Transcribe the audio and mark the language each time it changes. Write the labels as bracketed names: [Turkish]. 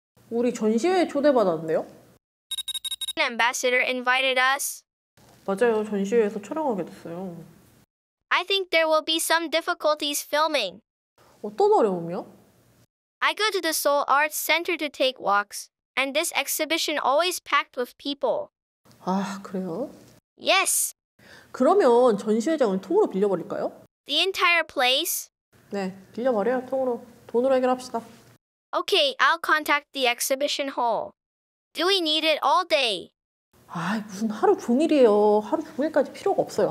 [Korean] 우리 전시회에 초대받았는데요? [English] An ambassador invited us. [Korean] 맞아요, 전시회에서 촬영하게 됐어요. [English] I think there will be some difficulties filming. [Korean] 어떤 어려움이요? [English] I go to the Seoul Arts Center to take walks, and this exhibition always packed with people. [Korean] 아, 그래요? [English] Yes. [Korean] 그러면 전시회장을 통으로 빌려버릴까요? [English] The entire place? [Korean] 네, 빌려버려요, 통으로. 돈으로 해결합시다. [English] Okay, I'll contact the exhibition hall. Do we need it all day? [Korean] 아, 무슨 하루 종일이에요. 하루 종일까지 필요가 없어요.